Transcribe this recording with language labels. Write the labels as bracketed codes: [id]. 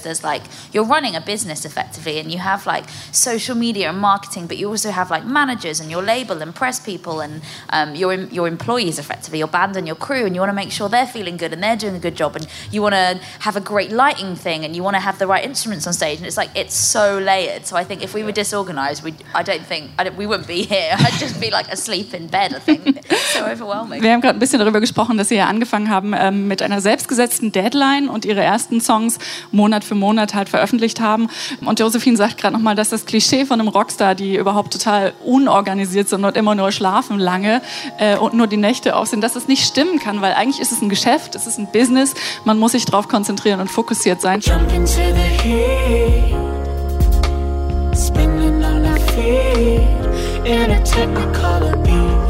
[en] There's like, you're running a business effectively and you have like social media and marketing, but you also have like managers and your label and press people and your employees effectively, your band and your crew, and you wanna make sure they're feeling good and they're doing a good job, and you wanna have a great lighting thing and you wanna have the right instruments on stage. And it's like, it's so layered. So I think if we were disorganized, we wouldn't be here. I'd just be like asleep in bed, I think. So overwhelming. [de] Wir haben gerade ein bisschen darüber gesprochen, dass Sie ja angefangen haben mit einer selbstgesetzten Deadline und ihre ersten Songs Monat für Monat halt veröffentlicht haben. Und Josephine sagt gerade nochmal, dass das Klischee von einem Rockstar, die überhaupt total unorganisiert sind und immer nur schlafen lange und nur die Nächte auf sind, dass das nicht stimmen kann, weil eigentlich ist es ein Geschäft, es ist ein Business, man muss sich drauf konzentrieren und fokussiert sein. [en] Jump into the heat, spinning on our feet, in a typical beat.